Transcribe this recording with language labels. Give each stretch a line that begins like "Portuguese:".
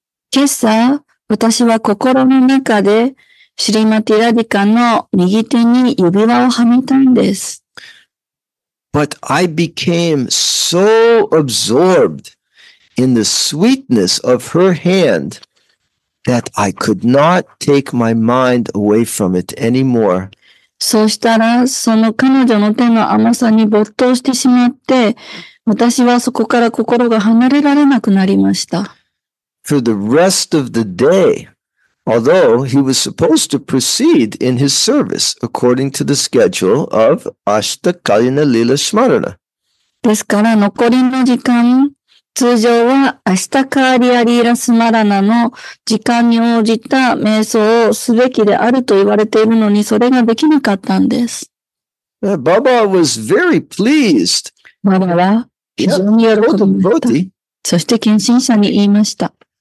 Japanese: 今朝、私は心の中で、シリマティ・ラディカの右手に指輪をはめたんです。
English: But I became so absorbed in the sweetness of her hand that I could not take my mind away from it anymore.
Japanese: そうしたら、その彼女の手の甘さに没頭してしまって、私はそこから心が離れられなくなりました。
English: For the rest of the day, although he was supposed to proceed in his service according to the schedule of Ashtakalina Lila Smarana.
Japanese: ですから残りの時間、通常はアシタカーリアリーラスマラナの時間に応じた瞑想をすべきであると言われているのに、それができなかったんです。
English: Baba was very pleased.
Japanese: ババは非常に喜びました。そして献身者に言いました。